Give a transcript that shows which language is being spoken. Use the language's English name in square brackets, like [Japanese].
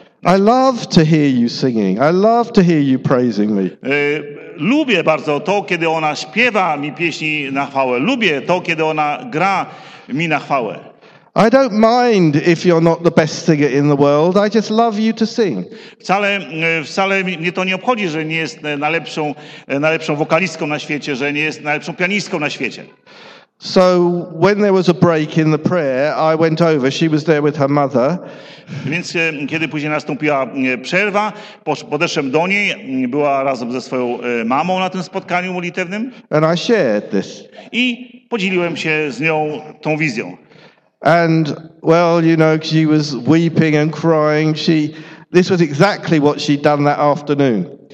[English] I love to hear you singing. I love to hear you praising me. [Polish] Lubię bardzo to, kiedy ona śpiewa mi pieśni na chwałę. Lubię to, kiedy ona gra mi na chwałę. [English] I don't mind if you're not the best singer in the world. I just love you to sing. [Polish] Wcale mnie to nie obchodzi, że nie jest najlepszą wokalistką na świecie, że nie jest najlepszą pianistką na świecie. [English] So when there was a break in the prayer, I went over. She was there with her mother. [Polish] Więc kiedy później nastąpiła przerwa, podeszłem do niej. Była razem ze swoją mamą na tym spotkaniu modlitewnym. [English] And I shared this. [Polish] I podzieliłem się z nią tą wizją. [English] And well, you know, she was weeping and crying. This was exactly what she'd done that afternoon.